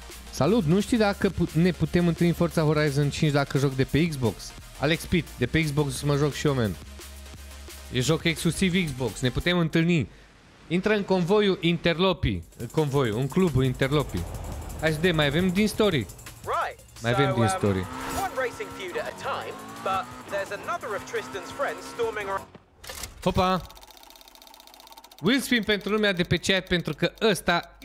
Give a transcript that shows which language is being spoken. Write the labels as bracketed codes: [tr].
[ro] Salut, nu știi dacă ne putem întâlni Forza Horizon 5 dacă joc de pe Xbox? Alex Pitt, de pe Xbox mă joc și eu, man. E joc exclusiv Xbox, ne putem întâlni. Intră în convoiul Interlopii. Convoiul, în clubul Interlopii. Hai să vedem, mai avem din story. [en] Right. [ro] Mai avem din story. [en] time, but there's another of Tristan's friends storming around. [ro] Hopa! Wilspin pentru lumea de pe chat, pentru că ăsta...